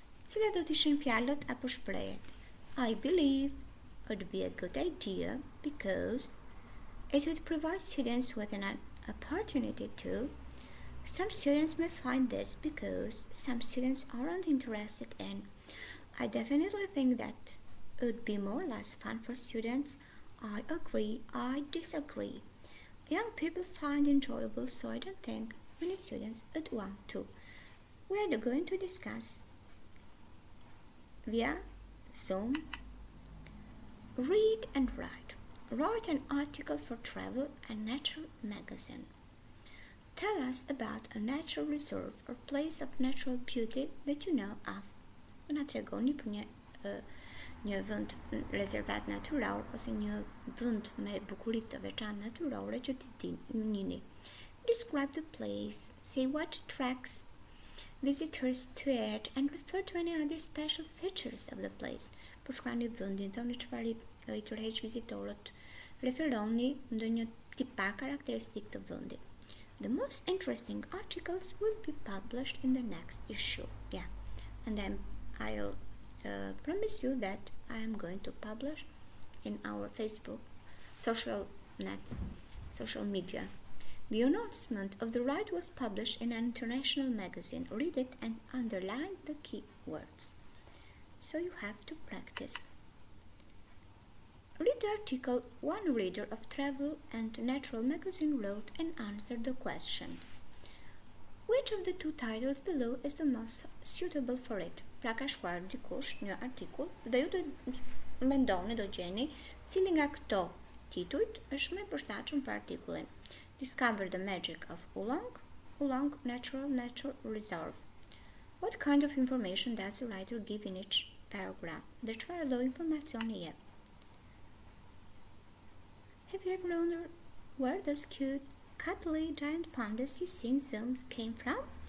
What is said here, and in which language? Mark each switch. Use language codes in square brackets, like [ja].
[sq] Cilat do të ishin fjalët apo shprehjet? [en] I believe it would be a good idea because it would provide students with an opportunity to. Some students may find this because some students aren't interested in. I definitely think that it would be more or less fun for students. I agree, I disagree. Young people find enjoyable, so I don't think many students would want to. We are going to discuss via Zoom. Read and write. Write an article for Travel and Nature magazine. Tell us about a natural reserve or place of natural beauty that you know of. [sq] Na tregoni për një vend rezervat natyror ose një vend me bukuri të veçantë natyrore që ti dini. [en] Describe the place. Say what attracts visitors to it and refer to any other special features of the place. [sq] Përshkruani vendin, thoni çfarë I tërheq vizitorët. Referoni ndonjë tip karakteristik të vendit. [en] The most interesting articles will be published in the next issue. Yeah. And then I'll promise you that I am going to publish in our Facebook social nets, social media. The announcement of the ride was published in an international magazine. Read it and underline the key words. So you have to practice. Read the article. One reader of Travel and Natural magazine wrote and answered the question. Which of the two titles below is the most suitable for it? [sq] Pra ka shkuar dikush një artikull dhe ju do mendoni, do gjeni cili nga këto titujt është më I përshtatshëm për artikullin. [en] Discover the magic of Oolong, Oolong Natural Reserve. What kind of information does the writer give in each paragraph? [sq] Dhe çfarë lloj informacioni jep? [en] Have you ever wondered where those cute, cuddly giant pandas you see in zooms came from?